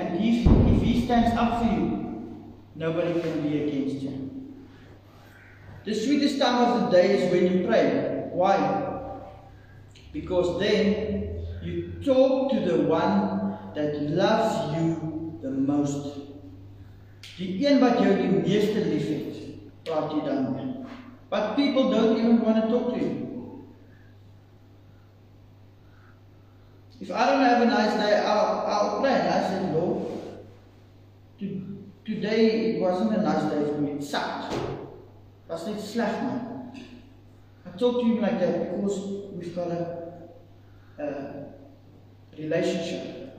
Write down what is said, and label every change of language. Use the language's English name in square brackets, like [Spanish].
[English] And if He stands up for you, nobody can be against you. The sweetest time of the day is when you pray. Why? Because then you talk to the one that loves you the most. [Afrikaans] Die een wat jou die meeste lief het, praat jy dan. [English] But people don't even want to talk to you. If I don't have a nice day, I'll pray. And I said, Lord, today it wasn't a nice day for me. It sucked. [Afrikaans] Was net sleg, man. [English] I talk to Him like that because we've got a relationship.